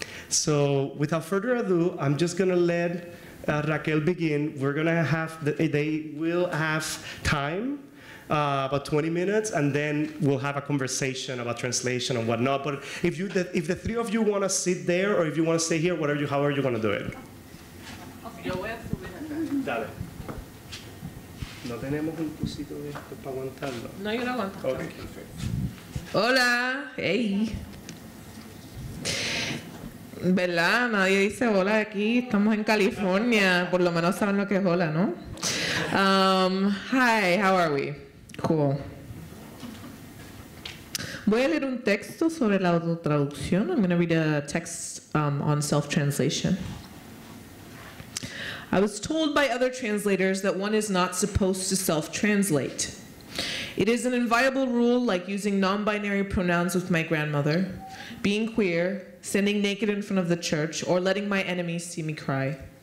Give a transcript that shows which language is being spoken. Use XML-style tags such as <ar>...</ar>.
<en>So without further ado, I'm just going to let Raquel begin. We're going to have, they will have time about 20 minutes, and then we'll have a conversation about translation and whatnot. But if you, if the three of you want to sit there, or if you want to stay here, whatever you, how are you going to do it?</en> <es>Yo voy a subir acá. Dale. No tenemos un pusito de esto para aguantarlo. No, yo lo aguanto.</es> <en>Okay. Perfect.</en> <es>Hola. Hey. ¿Verdad? Nadie dice hola aquí. Estamos en California. Por lo menos saben lo que es hola, ¿no?</es> <en>Hi, how are we? Cool.</en> <es>Voy a leer un texto sobre la autotraducción.</es> <en>I'm going to read a text on self-translation. I was told by other translators that one is not supposed to self-translate. It is an inviolable rule, like using non-binary pronouns with my grandmother, being queer, standing naked in front of the church, or letting my enemies see me cry.</en>